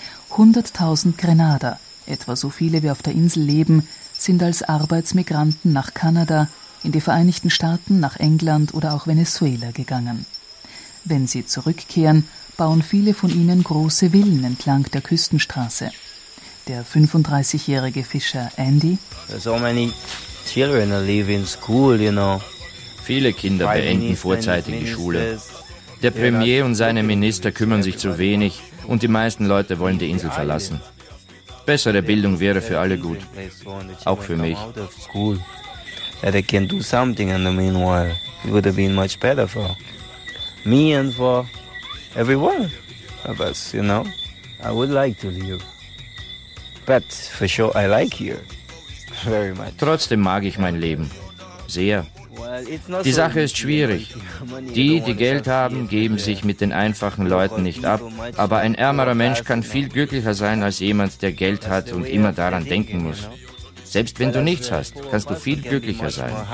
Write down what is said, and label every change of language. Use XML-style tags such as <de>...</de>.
<de>100.000 Grenader, etwa so viele wie auf der Insel leben, sind als Arbeitsmigranten nach Kanada, in die Vereinigten Staaten, nach England oder auch Venezuela gegangen. Wenn sie zurückkehren, bauen viele von ihnen große Villen entlang der Küstenstraße. Der 35-jährige Fischer Andy.</de> <en>So many children live in school, you know.</en> <de>Viele Kinder beenden vorzeitig die Schule. Der Premier und seine Minister kümmern sich zu wenig und die meisten Leute wollen die Insel verlassen. Bessere Bildung wäre für alle gut, auch für mich.</de> <en>That I can do something in the meanwhile. It would have been much better for me and for everyone of us, you know. I would like to live. But for sure I like here very much.</en> <de>Trotzdem mag ich mein Leben. Sehr. Die Sache ist schwierig. Die, die Geld haben, geben sich mit den einfachen Leuten nicht ab. Aber ein ärmerer Mensch kann viel glücklicher sein als jemand, der Geld hat und immer daran denken muss. Selbst wenn du nichts hast, kannst du viel glücklicher sein.</de>